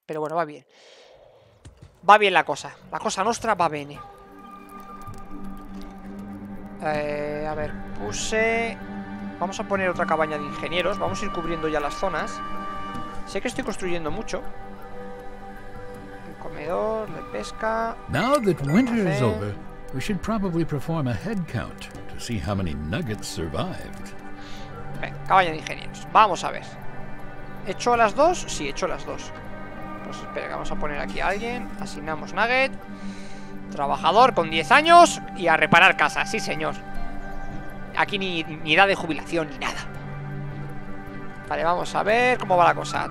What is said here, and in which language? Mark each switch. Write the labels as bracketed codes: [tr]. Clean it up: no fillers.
[es] Pero bueno, va bien. Va bien la cosa. La cosa nuestra va bene. A ver, puse... Vamos a poner otra cabaña de ingenieros. Vamos a ir cubriendo ya las zonas. Sé que estoy construyendo mucho. El comedor, la pesca... [en] Now that winter is over, we should probably perform a head count to see how many nuggets survived. [es] Venga, cabaña de ingenieros. Vamos a ver. ¿Hecho las dos? Sí, hecho las dos. Pues espera, vamos a poner aquí a alguien. Asignamos Nugget. Trabajador con 10 años y a reparar casa, sí señor. Aquí ni edad de jubilación ni nada. Vale, vamos a ver cómo va la cosa.